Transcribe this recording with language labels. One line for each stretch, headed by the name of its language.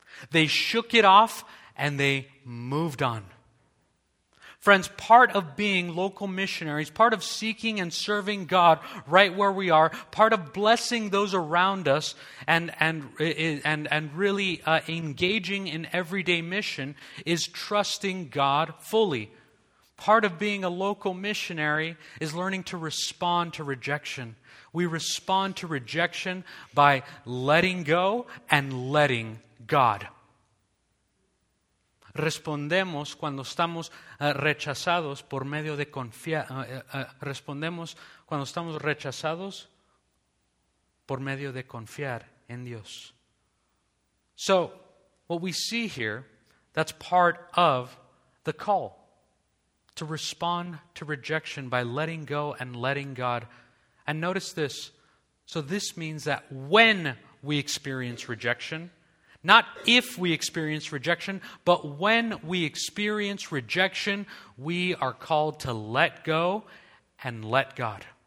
English: They shook it off and they moved on. Friends, part of being local missionaries, part of seeking and serving God right where we are, part of blessing those around us and really engaging in everyday mission is trusting God fully. Part of being a local missionary is learning to respond to rejection. We respond to rejection by letting go and letting God.
Spanish: Respondemos cuando estamos rechazados por medio de confiar. Respondemos cuando estamos rechazados por medio de confiar en Dios.
English: So, what we see here, that's part of the call. To respond to rejection by letting go and letting God. And notice this. So this means that when we experience rejection, not if we experience rejection, but when we experience rejection, we are called to let go and let God.